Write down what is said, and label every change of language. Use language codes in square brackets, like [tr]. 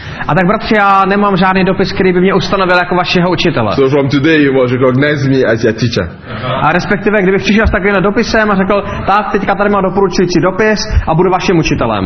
[cs] A tak bratři, já nemám žádný dopis, který by mě ustanovil jako vašeho učitele. [en] So from today you must recognize me as your teacher. [cs] A respektive, kdybych přišel s takovým dopisem a řekl, tak teďka tady mám doporučující dopis a budu vaším učitelem.